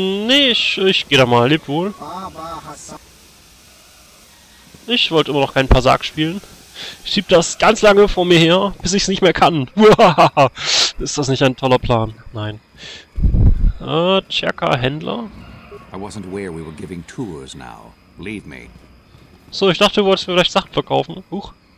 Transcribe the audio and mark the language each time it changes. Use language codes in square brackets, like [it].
[de] Ich geh da mal, lebt wohl. Ich wollte immer noch keinen Pasak spielen. Ich schieb das ganz lange vor mir her, bis ich's nicht mehr kann. Ist das nicht ein toller Plan? Nein. Chaka Händler? [en] I wasn't aware we were giving tours now. Leave me. [de] So, ich dachte, du wolltest mir vielleicht Sachen verkaufen. Huch.